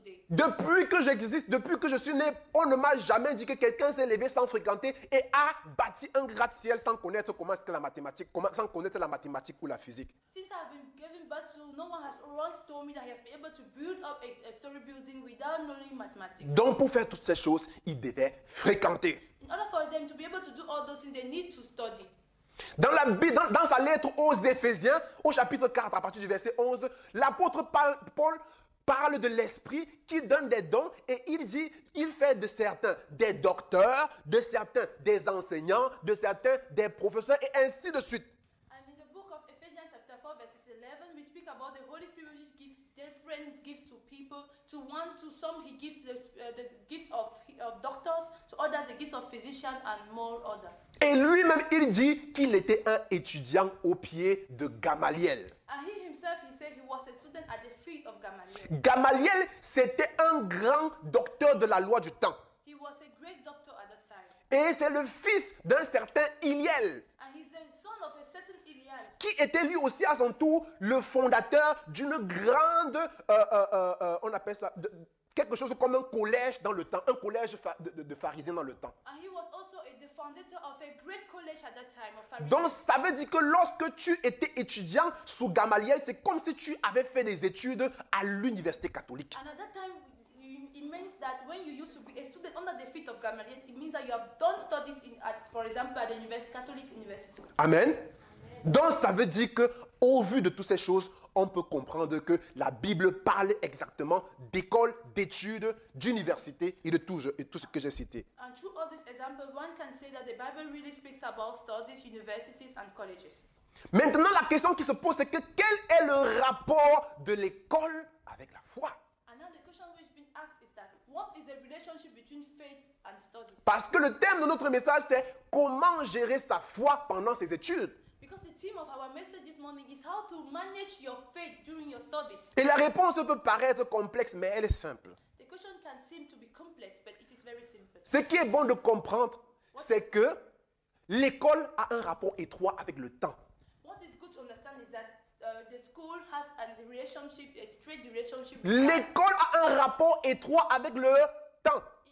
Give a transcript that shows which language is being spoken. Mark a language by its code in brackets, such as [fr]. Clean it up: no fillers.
[fr] Depuis que j'existe, depuis que je suis né, on ne m'a jamais dit que quelqu'un s'est levé sans fréquenter et a bâti un gratte-ciel sans connaître comment est-ce que la mathématique, sans connaître la mathématique ou la physique. [en] Since I've been giving birth to, no one has once told me that he has been able to build up a story building without knowing mathematics. [fr] Donc pour faire toutes ces choses, il devait fréquenter. [en] In order for them to be able to do all those things, they need to study. [fr] Dans la Bible, dans sa lettre aux Éphésiens, au chapitre 4, à partir du verset 11, l'apôtre Paul parle de l'Esprit qui donne des dons et il dit, il fait de certains des docteurs, de certains des enseignants, de certains des professeurs et ainsi de suite. [en] And in the book of Ephesians chapter 4 verse 11, we speak about the Holy Spirit which gives different gifts to people. To one, to some he gives the gifts of doctors, to others the gifts of physicians and more others. [fr] Et lui-même, il dit qu'il était un étudiant au pied de Gamaliel. [en] And he himself, he said he was a student at the feet of Gamaliel. [fr] Gamaliel, c'était un grand docteur de la loi du temps. [en] He was a great doctor at that time. [fr] Et c'est le fils d'un certain Iliel. [en] And he's the son of a certain Iliel. [fr] Qui était lui aussi à son tour le fondateur d'une grande, on appelle ça, de, quelque chose comme un collège dans le temps, un collège de pharisiens dans le temps. [en] And he was also of a great college at that time, of Pharisees. [fr] Donc ça veut dire que lorsque tu étais étudiant sous Gamaliel, c'est comme si tu avais fait des études à l'université catholique. [en] And at that time, it means that when you used to be a student under the feet of Gamaliel, it means that you have done studies in, at, for example, at the university, Catholic University. Amen. [fr] Donc ça veut dire que au vu de toutes ces choses, on peut comprendre que la Bible parle exactement d'école, d'études, d'université et de tout, je, et tout ce que j'ai cité. [en] And through all these examples, one can say that the Bible really speaks about studies, universities and colleges. [fr] Maintenant, la question qui se pose, c'est que quel est le rapport de l'école avec la foi? [en] And now the question which has been asked is that what is the relationship between faith and studies? [fr] Parce que le thème de notre message, c'est comment gérer sa foi pendant ses études. [en] Because the theme of our message this morning is how to manage your faith during your studies. [fr] Et la réponse peut paraître complexe, mais elle est simple. [en] The question can seem to be complex, but it is very simple. [fr] Ce qui est bon de comprendre, c'est que l'école a un rapport étroit avec le temps. [en] What is good to understand is that the school has a relationship, a straight relationship. [fr] L'école a un rapport étroit avec le temps.